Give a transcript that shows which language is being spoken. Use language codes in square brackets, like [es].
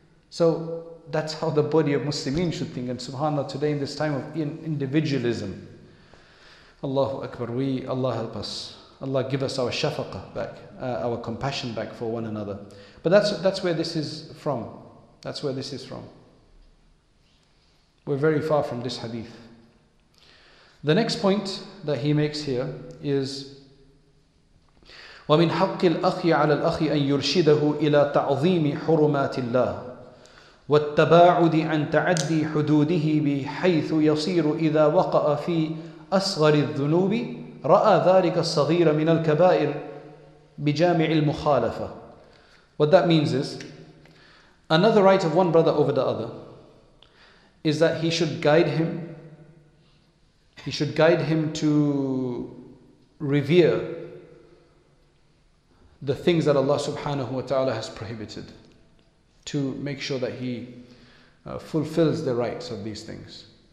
[en] So that's how the body of Muslimin should think. And subhanAllah, today in this time of individualism, Allahu Akbar, Allah help us. Allah give us our shafaqah back, our compassion back for one another. But that's where this is from. That's where this is from. We're very far from this hadith. [ar] The next point that he makes here is, وَمِنْ حَقِّ الْأَخِي عَلَى الْأَخِي أَنْ يُرْشِدَهُ إِلَىٰ تَعْظِيمِ حُرُمَاتِ اللَّهِ وَالتَّبَاعُدِ عَنْ تَعَدِّي حُدُودِهِ بِحَيْثُ يَصِيرُ إِذَا وَقَأَ فِي أَصْغَرِ الذُّنُوبِ رَأَى ذَٰلِكَ الصَّغِيرَ مِنَ الْكَبَائِرِ بِجَامِعِ الْمُخَالَفَةِ. [en] What that means is, another right of one brother over the other is that he should guide him. He should guide him to revere the things that Allah subhanahu wa ta'ala has prohibited, to make sure that he fulfills the rights of these things.